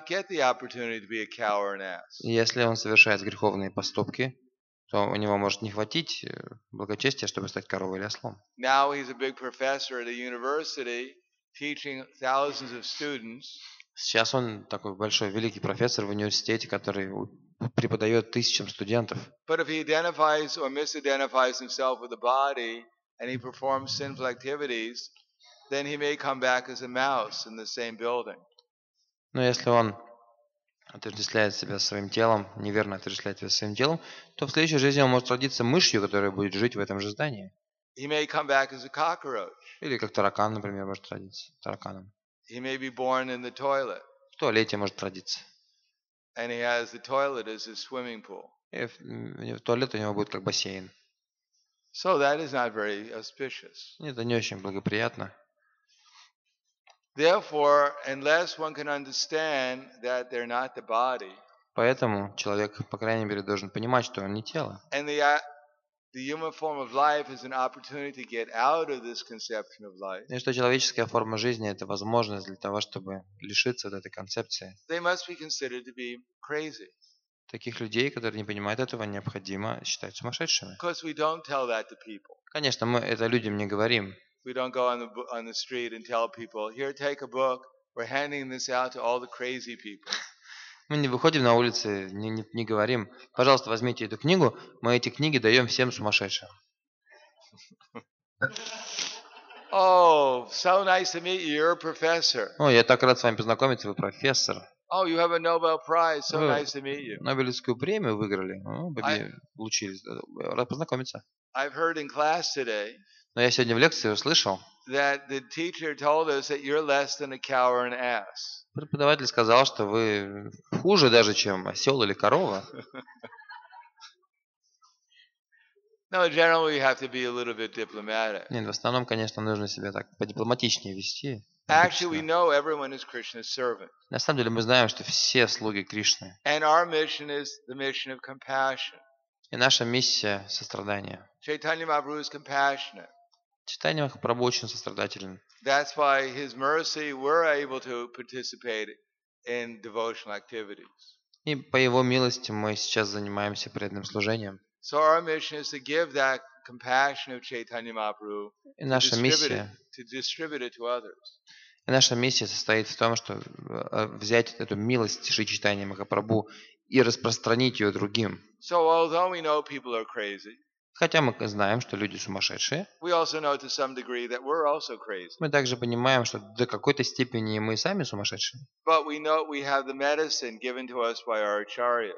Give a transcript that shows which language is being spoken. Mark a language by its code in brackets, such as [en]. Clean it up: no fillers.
[ru] Если он совершает греховные поступки, то у него может не хватить благочестия, чтобы стать коровой или ослом. [en] Now he's a big professor at a university, teaching thousands of students. [ru] Сейчас он такой большой, великий профессор в университете, который преподает тысячам студентов. [en] But if he identifies or misidentifies himself with the body and he performs sinful activities, then he may come back as a mouse in the same building. [ru] Но если он отождествляет себя своим телом, неверно отождествляет себя своим телом, то в следующей жизни он может родиться мышью, которая будет жить в этом же здании. [en] He may come back as a cockroach. [ru] Или как таракан, например, может родиться тараканом. [en] He may be born in the toilet. [ru] В туалете может родиться. [en] And he has the toilet as a swimming pool. [ru] И в туалет у него будет как бассейн. [en] So that is not very auspicious. [ru] Нет, это не очень благоприятно. [en] Therefore, unless one can understand that they're not the body. [ru] Поэтому человек, по крайней мере, должен понимать, что он не тело. [en] And the human form of life is an opportunity to get out of this conception of life. [ru] И что человеческая форма жизни это возможность для того, чтобы лишиться от этой концепции. [en] They must be considered to be crazy. [ru] Таких людей, которые не понимают этого, необходимо считать сумасшедшими. [en] Because we don't tell that to people. [ru] Конечно, мы это людям не говорим. [en] We don't go on the street and tell people, here, take a book. We're handing this out to all the crazy people. [ru] Мы не выходим на улицы, не говорим, пожалуйста, возьмите эту книгу. Мы эти книги даем всем сумасшедшим. [en] Oh, so nice to meet you. You're a professor. [ru] О, я так рад с вами познакомиться. Вы профессор. [en] Oh, you have a Nobel Prize. So nice to meet you. [ru] Нобелевскую премию выиграли. Получили. Рад познакомиться. [en] I've heard in class today. [ru] Но я сегодня в лекции услышал, [en] that the teacher told us that you're less than a cow or an ass. [ru] Преподаватель сказал, что вы хуже даже, чем осел или корова. [en] Now, generally, you have to be a little bit diplomatic. [ru] Нет, в основном, конечно, нужно себя так подипломатичнее вести. [en] Actually, we know everyone is Krishna's servant. [ru] На самом деле, мы знаем, что все слуги Кришны. [en] And our mission is the mission of compassion. [ru] И наша миссия – сострадание. [en] Chaitanya Mahaprabhu is compassionate. [ru] Chaitanya Mahaprabhu очень сострадателен. [en] That's why his mercy we're able to participate in devotional activities. [ru] И по его милости мы сейчас занимаемся преданным служением. [en] So our mission is to give that compassion of Chaitanya Mahaprabhu to distribute it to others. [ru] И наша миссия состоит в том, что взять эту милость Шри Чайтаньи Махапрабху и распространить ее другим. [en] So although we know people are crazy, [ru] хотя мы знаем, что люди сумасшедшие, [en] we also know to some degree that we're also crazy. [ru] Мы также понимаем, что до какой-то степени мы сами сумасшедшие. [en] But we know we have the medicine given to us by our acharyas.